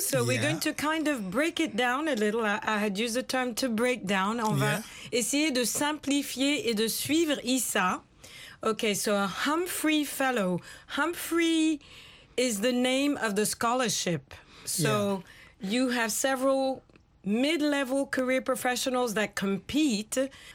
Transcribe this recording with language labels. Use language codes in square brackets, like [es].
[en] So yeah. We're going to kind of break it down a little. I had used the term to break down. [fr] On va essayer de simplifier et de suivre Issa. [en] Okay, so a Humphrey Fellow. Humphrey is the name of the scholarship. So you have several mid-level career professionals that compete.